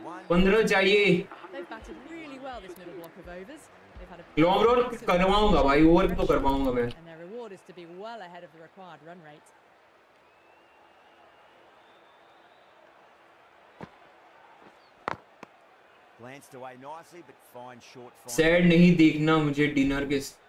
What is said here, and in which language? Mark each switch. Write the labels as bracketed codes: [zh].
[hi] पंद्रह चाहिए, long role करवाऊंगा भाई, ओवर तो करवाऊंगा मैं। [en] Is to be well ahead of the required run rate. Glanced away nicely, but fine short. [hi] Sad, नहीं देखना मुझे डिनर के.